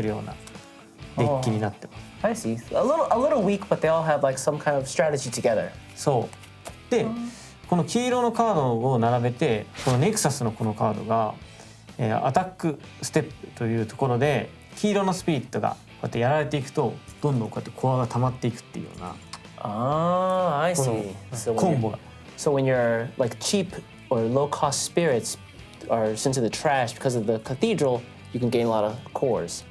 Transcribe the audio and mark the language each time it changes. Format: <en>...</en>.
<ja>このデッキはこう2コストの黄色のスピリットをたくさん並べていって相手にアタックするようなデッキになってます。</ja> <en>I see. A little weak, but they all have like some kind of strategy together.</en> <ja>そう。で、この黄色のカードを並べて、このネクサスのこのカードが アタックステップというところで黄色のスピリットがこうやってやられていくとどんどんこうやってコアが溜まっていくっていうような</ja> <en>Ah, I see.</en> <ja>コンボが。 So when</ja> <en>you're like cheap or low cost spirits are sent to the trash because of the cathedral, you can gain a lot of cores.</en>